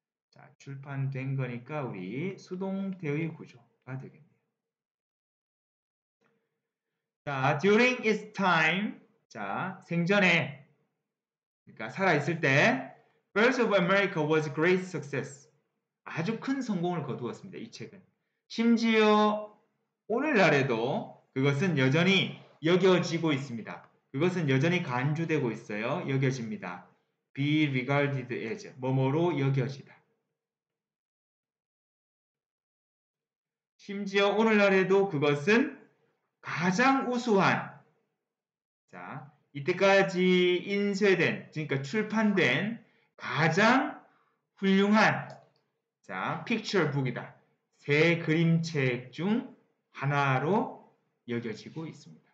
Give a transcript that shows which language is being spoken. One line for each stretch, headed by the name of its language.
Korean: 자, 출판된 거니까 우리 수동태의 구조가 되겠네요.
English: 자, during its time, 자,
Korean: 생전에, 그러니까 살아있을 때,
English: Birds of America was great success.
Korean: 아주 큰 성공을 거두었습니다. 이 책은. 심지어 오늘날에도 그것은 여전히 여겨지고 있습니다. 그것은 여전히 간주되고 있어요. 여겨집니다.
English: Be regarded as
Korean: 뭐뭐로 여겨지다. 심지어 오늘날에도 그것은 가장 우수한 자, 이때까지 인쇄된 그러니까 출판된 가장 훌륭한 자, 픽처북이다. 새 그림책 중 하나로 여겨지고 있습니다.